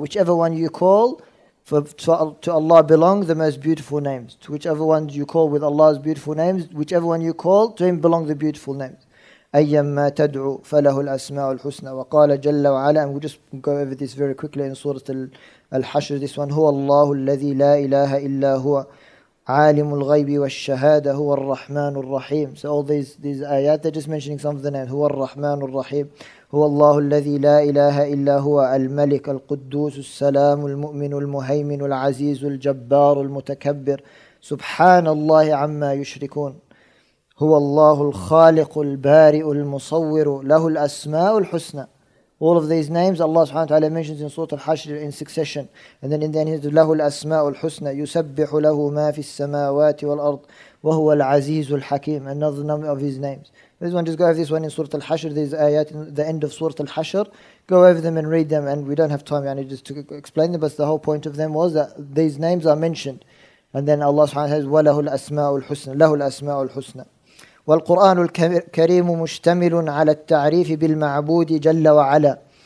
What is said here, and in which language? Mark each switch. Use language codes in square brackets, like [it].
[en] Whichever one you call, to Allah belong the most beautiful names. To whichever one you call with Allah's beautiful names, whichever one you call, to Him belong the beautiful names. [ar] أيما تدعو فله الأسماء الحسنى. وقال جل وعلا, [en] and we'll just go over this very quickly in [ar] سورة الحشر, this one, هو الله الذي لا إله إلا هو عالم الغيب والشهادة هو الرحمن الرحيم. [en] So all these ayat, they're just mentioning some of the names. [ar] هو الرحمن الرحيم, هو الله الذي لا إله إلا هو الملك القدوس السلام المؤمن المهيمن العزيز الجبار المتكبر سبحان الله عما يشركون. هو الله الخالق البارئ المصور له الأسماء الحسنى. [en] All of these names Allah subhanahu wa ta'ala mentions in Surah Al-Hashr in succession. And then in the end he says, [ar] لَهُ الْأَسْمَاءُ الْحُسْنَى يُسَبِّحُ لَهُ مَا فِي السَّمَاوَاتِ وَالْأَرْضِ وَهُوَ الْعَزِيزُ الْحَكِيمُ. [en] Another number of his names. This one, just go over this one in Surah Al-Hashr. These ayat in the end of Surah Al-Hashr. Go over them and read them. And we don't have time, yani, just to explain them. But the whole point of them was that these names are mentioned. And then Allah subhanahu wa ta'ala says, [ar] وَلَهُ الْأَسْمَاءُ الْحُسْنَى لَهُ الْأَسْمَاءُ الْحُسْنَى. والقرآن الكريم مشتمل على التعريف بالمعبود جل وعلا.